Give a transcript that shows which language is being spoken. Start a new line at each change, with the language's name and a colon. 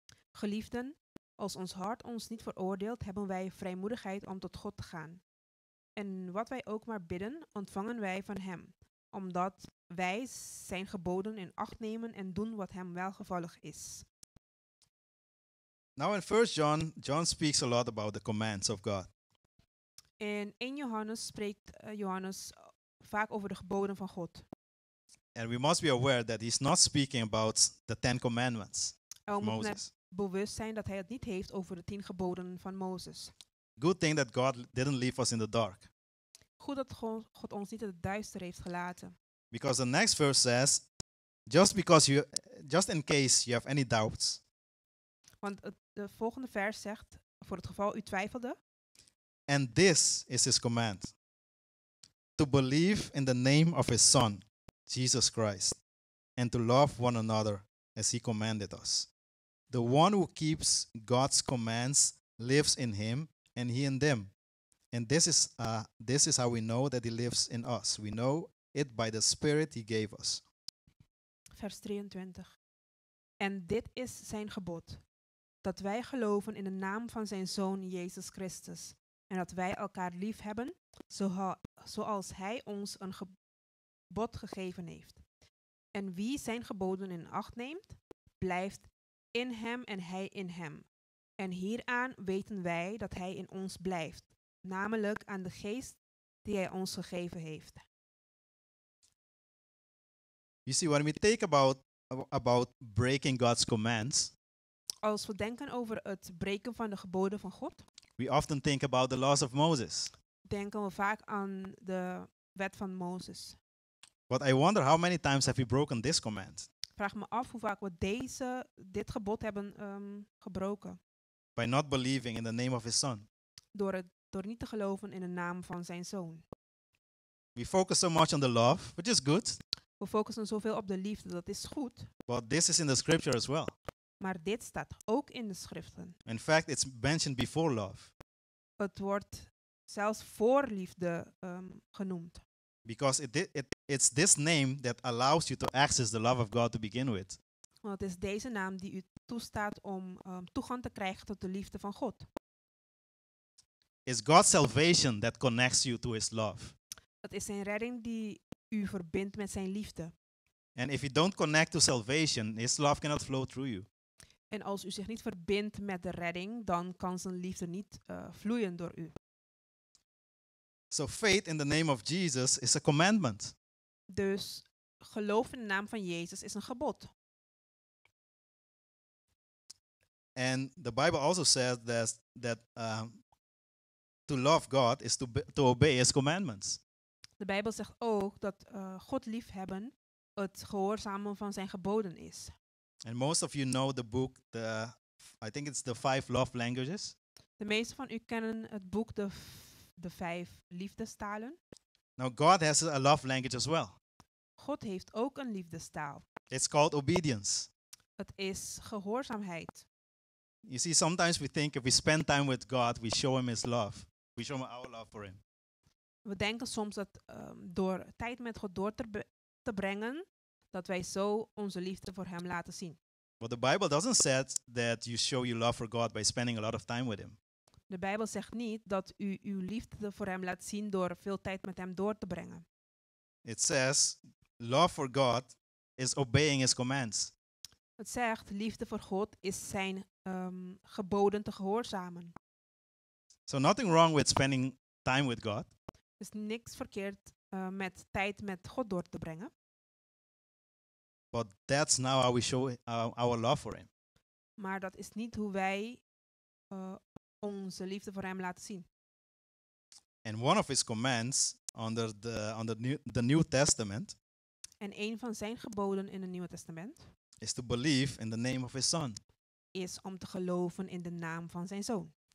Dutch: Geliefden, als ons hart ons niet veroordeelt, hebben wij vrijmoedigheid om tot God te gaan. En wat wij ook maar bidden, ontvangen wij van hem, omdat wij zijn geboden in acht nemen en doen wat hem welgevallig is.
English: Now in 1 John, John speaks a lot about the commands of God.
Dutch: In 1 Johannes spreekt Johannes vaak over de geboden van God.
English: And we must be aware that he's not speaking about the Ten Commandments.
Dutch: We moeten bewust zijn dat hij het niet heeft over de 10 geboden van Mozes.
English: Good thing that God didn't leave us in the dark.
Dutch: Goed dat God ons niet in het duister heeft gelaten.
English: Because the next verse says, just in case you have any doubts.
Dutch: Want de volgende vers zegt, voor het geval u twijfelde.
English: And this is his command. To believe in the name of his son, Jesus Christ. And to love one another as he commanded us. The one who keeps God's commands lives in him and he in them. And this is how we know that he lives in us. We know it by the spirit he gave us.
Dutch: Vers 23. En dit is zijn gebod. Dat wij geloven in de naam van zijn zoon Jezus Christus. En dat wij elkaar lief hebben zoals hij ons een gebod gegeven heeft. En wie zijn geboden in acht neemt, blijft in hem en hij in hem. En hieraan weten wij dat hij in ons blijft. Namelijk aan de geest die hij ons gegeven heeft.
English: You see, when we think about breaking God's commands.
Dutch: Als we denken over het breken van de geboden van God.
English: We often think about the laws of Moses.
Dutch: Denken we vaak aan de wet van Mozes.
English: But I wonder how many times have we broken this command.
Dutch: Vraag me af hoe vaak we dit gebod hebben gebroken.
English: By not believing in the name of his son.
Dutch: Door niet te geloven in de naam van zijn zoon.
English: We focus so much on the love, which is good.
Dutch: We focussen zoveel op de liefde, dat is goed.
English: But this is in the scripture as well.
Dutch: Maar dit staat ook in de schriften.
English: In fact, it's mentioned before love.
Dutch: Het wordt zelfs voor liefde genoemd.
English: Because it's this name that allows you to access the love of God to begin with.
Dutch: Want het is deze naam die u toestaat om toegang te krijgen tot de liefde van God.
English: It's God's salvation that connects you to his love.
Dutch: Dat is zijn redding die u verbindt met zijn liefde.
English: And if you don't connect to salvation, his love cannot flow through you.
Dutch: En als u zich niet verbindt met de redding, dan kan zijn liefde niet vloeien door u.
English: So faith in the name of Jesus is a commandment.
Dutch: Dus geloof in de naam van Jezus is een gebod.
English: And the Bible also says to love God is to obey his commandments.
Dutch: De Bijbel zegt ook dat God liefhebben het gehoorzamen van zijn geboden is.
English: And most of you know the book, I think it's the 5 love languages.
Dutch: De meeste van u kennen het boek de 5 liefdestalen.
English: Now God has a love language as well.
Dutch: God heeft ook een liefdestaal.
English: It's called obedience.
Dutch: Het is gehoorzaamheid.
English: You see, sometimes we think if we spend time with God, we show him his love. We show him our love for him.
Dutch: We denken soms dat door tijd met God door te brengen, dat wij zo onze liefde voor hem laten zien.
English: But the Bible doesn't say that you show your love for God by spending a lot of time with him.
Dutch: De Bijbel zegt niet dat u uw liefde voor hem laat zien door veel tijd met hem door te brengen.
English: It says, love for God is obeying his commands.
Dutch: Het zegt, liefde voor God is zijn geboden te gehoorzamen.
English: So nothing wrong with spending time with God.
Dutch: Dus niks verkeerd met tijd met God door te brengen.
English: But that's not how we show our love for him.
Dutch: Maar dat is niet hoe wij onze liefde voor hem laten zien.
English: And one of his commands under the New Testament.
Dutch: En een van zijn geboden in het Nieuwe Testament.
English: Is to believe in the name of his son.
Dutch: Is om te geloven in de naam van zijn zoon.